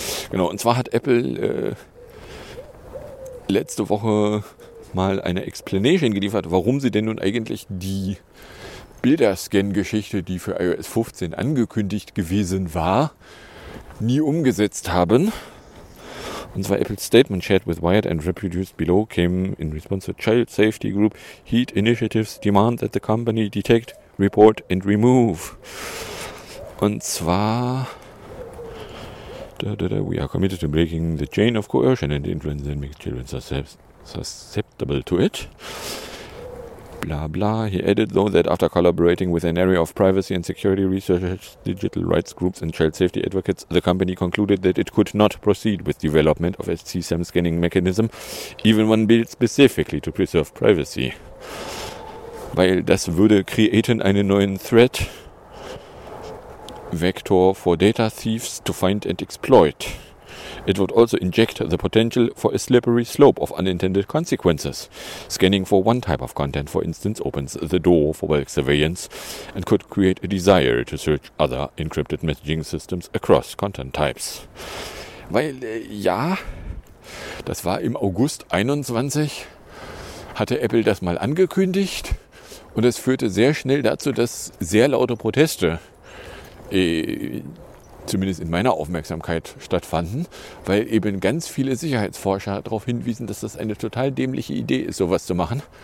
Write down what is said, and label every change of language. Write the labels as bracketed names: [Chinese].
[German] Genau, und zwar hat Apple letzte Woche mal eine Explanation geliefert, warum sie denn nun eigentlich die Bilderscan-Geschichte, die für iOS 15 angekündigt gewesen war, nie umgesetzt haben. Und zwar [English] Apple's Statement shared with Wired and reproduced below came in response to Child Safety Group Heat Initiatives demand that the company detect, report and remove. [German] Und zwar [English] we are committed to breaking the chain of coercion and influence that makes children susceptible to it. Bla bla. He added though that after collaborating with an area of privacy and security researchers, digital rights groups and child safety advocates, the company concluded that it could not proceed with development of a CSAM scanning mechanism, even one built specifically to preserve privacy. [German] Weil das würde createn einen neuen [English] threat vector for data thieves to find and exploit. It would also inject the potential for a slippery slope of unintended consequences. Scanning for one type of content, for instance, opens the door for bulk surveillance and could create a desire to search other encrypted messaging systems across content types. [German] Weil, ja, das war im August 21, hatte Apple das mal angekündigt und es führte sehr schnell dazu, dass sehr laute Proteste zumindest in meiner Aufmerksamkeit stattfanden, weil eben ganz viele Sicherheitsforscher darauf hinwiesen, dass das eine total dämliche Idee ist, sowas zu machen.